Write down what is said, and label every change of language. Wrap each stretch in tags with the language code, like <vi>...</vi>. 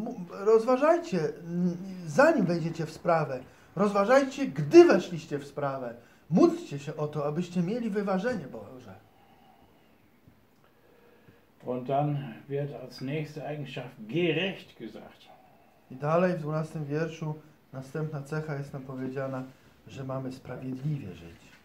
<pl>Rozważajcie, zanim wejdziecie w sprawę, rozważajcie, gdy weszliście w sprawę. Módlcie się o to, abyście mieli wyważenie Boże.</pl> <de>Und dann wird als nächste Eigenschaft gerecht gesagt.</de> <pl>I dalej w 12 wierszu następna cecha jest nam powiedziana, że mamy sprawiedliwie żyć.</pl>